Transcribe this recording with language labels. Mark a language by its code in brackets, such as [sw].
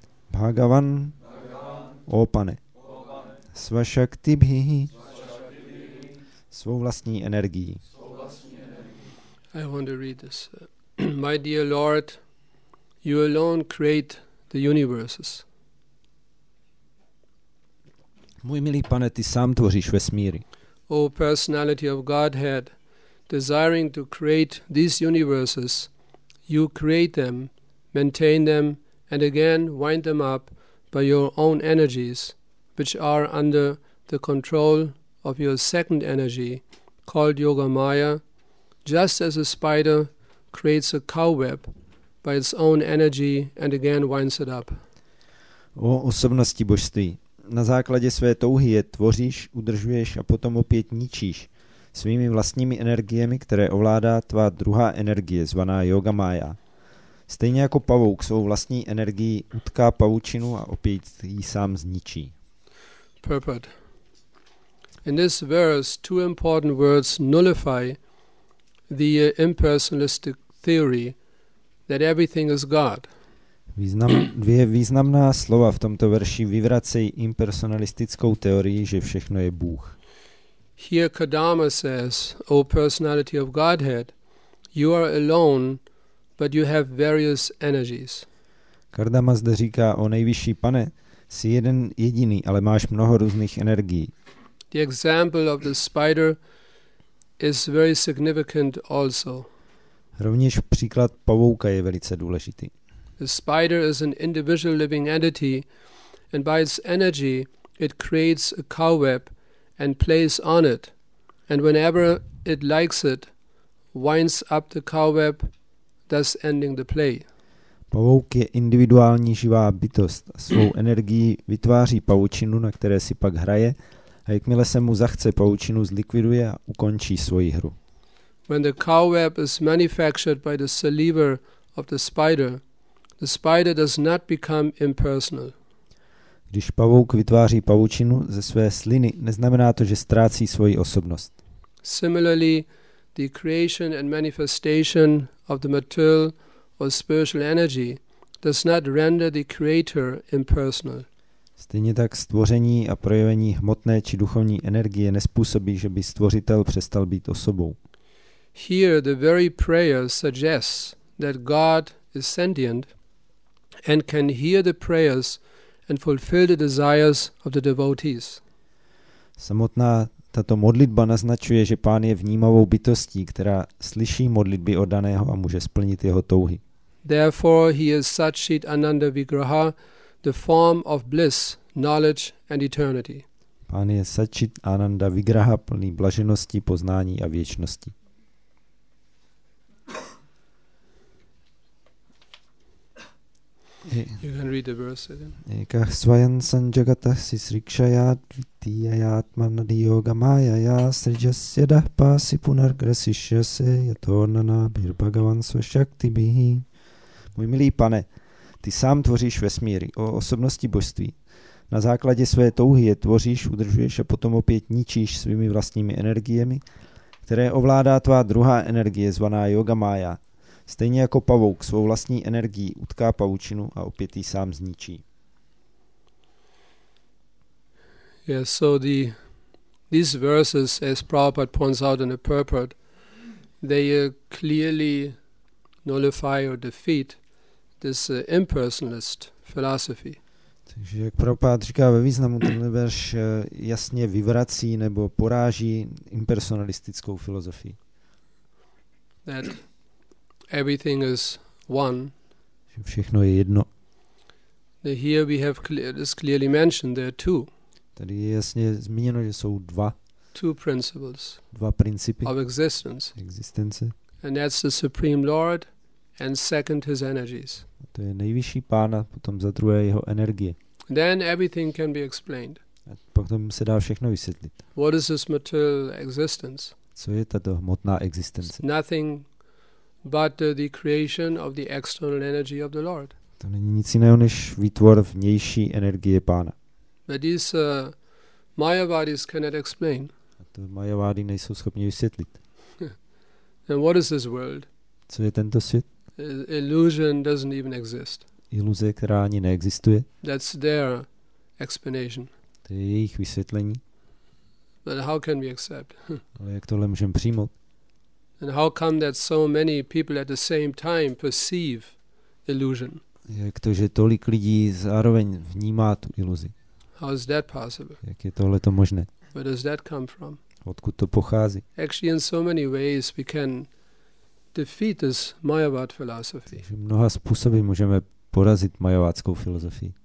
[cs] Bhagavan, o pane, [sa] svašakti bhihi, [cs] svou vlastní energií. [en] I want to read this. My dear Lord, you alone create the universes. [cs] Můj milý pane, ty sám tvoříš vesmíry. [en] O personality of Godhead, desiring to create these universes, you create them, maintain them, and again wind them up by your own energies, which are under the control of your second energy, called Yoga Maya, just as a spider creates a cobweb by its own energy and again winds it up. [cs] O osobnosti božství, na základě své touhy je tvoříš, udržuješ a potom opět ničíš svými vlastními energiemi, které ovládá tvá druhá energie, zvaná Yoga Maya. Stejně jako pavouk svou vlastní energii utká pavučinu a opět ji sám zničí. [en] Purport. In this verse, two important words nullify the impersonalistic theory that everything is God. [cs] Dvě významná slova v tomto verši vyvracejí impersonalistickou teorii, že všechno je Bůh. [en] Here Kadama says, O personality of Godhead, you are alone, but you have various energies. [cs] Kardama zde říká, o nejvyšší pane, jsi jeden jediný, ale máš mnoho různých energií. [en] The example of the spider is very significant also. [cs] Rovněž příklad pavouka je velice důležitý. [en] The spider is an individual living entity and by its energy it creates a cobweb and plays on it. And whenever it likes it, winds up the cowweb, thus ending the play. [cs] Pavouk je individuální živá bytost. Svou energií vytváří pavučinu, na které si pak hraje, a jakmile se mu zachce, pavučinu zlikviduje a ukončí svoji hru. [en] When the cowweb is manufactured by the saliva of the spider does not become impersonal. [cs] Když pavouk vytváří pavučinu ze své sliny, neznamená to, že ztrácí svoji osobnost. [en] Similarly, the creation and manifestation of the material or spiritual energy does not render the creator impersonal. [cs] Stejně tak stvoření a projevení hmotné či duchovní energie nezpůsobí, že by stvořitel přestal být osobou. [en] Here the very prayer suggests that God is sentient and can hear the prayers and fulfill the desires of the devotees. [cs] Samotná tato modlitba naznačuje, že Pán je vnímavou bytostí, která slyší modlitby oddaného a může splnit jeho touhy. [en] Therefore he is Satchit Ananda Vigraha, the form of bliss, knowledge and eternity. [cs] Pán je Satchit Ananda Vigraha, plný blaženosti, poznání a věčnosti. [en] You can read the verse again. [sa] Eka svayan sanjagata sisrikshaya dvitiyayatmana diyoga mayaya srijasya dahpasi punargrasishyase yatonana birbhagavan svashakti bihi. [cs] Můj milý pane, ty sám tvoříš vesmíry o osobnosti božství. Na základě své touhy je tvoříš, udržuješ a potom opět ničíš svými vlastními energiemi, které ovládá tvá druhá energie zvaná yoga maya. Stejně jako pavouk svou vlastní energií utká pavučinu a opět ji sám zničí. [en] Yes, so these verses, as Prabhupada points out in the purport, they clearly nullify or defeat this impersonalist philosophy. [cs] Takže jak Prabhupada říká ve významu, tenhle verš jasně vyvrací nebo poráží impersonalistickou filozofii. [en] That everything is one. [cs] Všechno je jedno. [en] Here we have clearly mentioned there are two. [cs] Tady je jasně zmíněno, že jsou dva. [en] Two principles. [cs] Dva principy. [en] Of existence. [cs] Existence. [en] And that's the Supreme Lord, and second his energies. [cs] A to je nejvyšší pán a potom za druhé jeho energie. [en] Then everything can be explained. [cs] A potom se dá všechno vysvětlit. [en] What is this material existence? [cs] Co je tato hmotná existence? [en] Nothing but the creation of the external energy of the Lord. [cs] To není nic jiného než výtvor vnější energie pána. [en] But these Mayavadis cannot explain. [cs] A to Mayavadi nejsou schopni vysvětlit. [en] And what is this world? [cs] Co je tento svět? [en] Illusion doesn't even exist. [cs] Iluze, která ani neexistuje. [en] That's their explanation. [cs] To je jejich vysvětlení. [en] But how can we accept? [cs] Ale jak tohle můžeme přijmout? [en] And how come that so many people at the same time perceive illusion? [cs] Jak to, že tolik lidí zároveň vnímá tu iluzi? [en] How is that possible? [cs] Jak je tohle to možné? [en] Where does that come from? [cs] Odkud to pochází? [en] Actually, in so many ways we can defeat this Mayavad philosophy. [cs] Takže mnoha způsoby můžeme porazit mayavádskou filozofii.